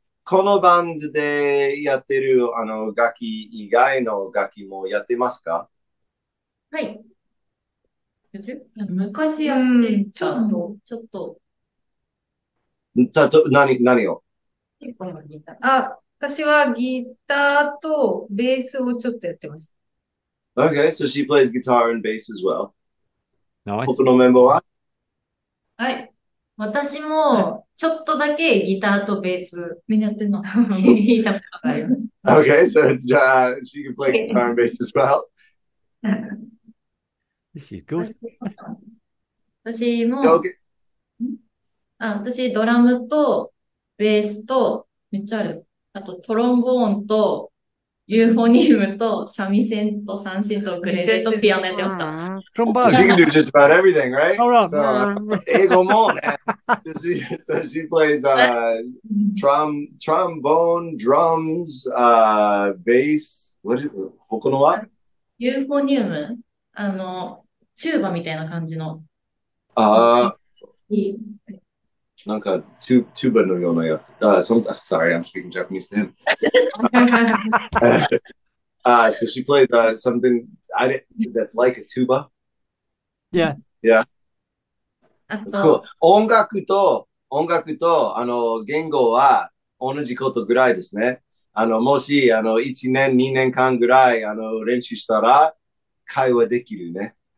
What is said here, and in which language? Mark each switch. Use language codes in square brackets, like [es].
[ja] このバンドでやってるあの楽器以外の楽器もやってますか？はい。昔やってたの、ちょっと。何を？あ、私はギターとベースをちょっとやってました。 [en] Okay, so she plays guitar and bass as well. Nice. [ja] 僕のメンバーは？はい。私もちょっとだけギターとベースみんなやってんの弾いたことがあります。 [en] Okay, so she can play guitar and bass as well. This is good. [ja] 私も、私ドラムとベースとめっちゃある。あとトロンボーンとユーフォニウムと三味線と三線とグレートとピアノやってました。トロンボーン、 [en] she can do just about everything, right? So, [ja] 英語もね。 [en] So she plays trombone, drums, bass. What is it? [ja] 他のは？ユーフォニウム、あのチューバみたいな感じの。なんかチューバのようなやつ。 [en] Sorry, I'm speaking Japanese to him. So she plays something that's like a tuba. Yeah. Yeah. That's cool. [ja] 音楽とあの言語は同じことぐらいですね。あのもしあの1年、2年間ぐらいあの練習したら会話できるね。